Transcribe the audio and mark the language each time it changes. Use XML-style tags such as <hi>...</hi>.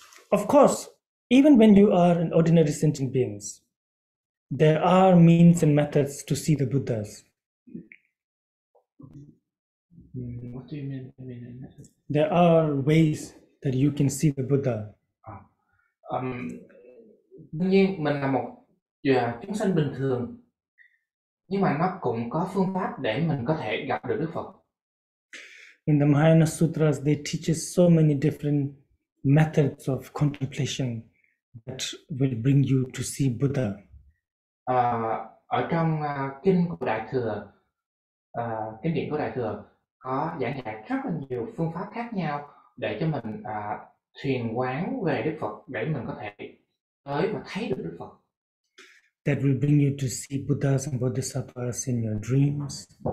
<en>Of course, even when you are an ordinary sentient beings, there are means and methods to see the Buddhas. What do you mean? I mean, there are ways that you can see the Buddha.</en> <vi>Đương nhiên mình là một chúng sinh bình thường, nhưng mà nó cũng có phương pháp để mình có thể gặp được Đức Phật.</vi> <en>In the Mahayana Sutras, they teach us so many different methods of contemplation that will bring you to see Buddha.</en> <vi>Ở trong kinh của Đại thừa, kinh điển của Đại thừa có giảng dạy rất là nhiều phương pháp khác nhau để cho mình thuyền quán về Đức Phật, để mình có thể tới và thấy được Đức Phật.</vi> <en>that will bring you to see Buddhas and Bodhisattvas in your dreams.</en>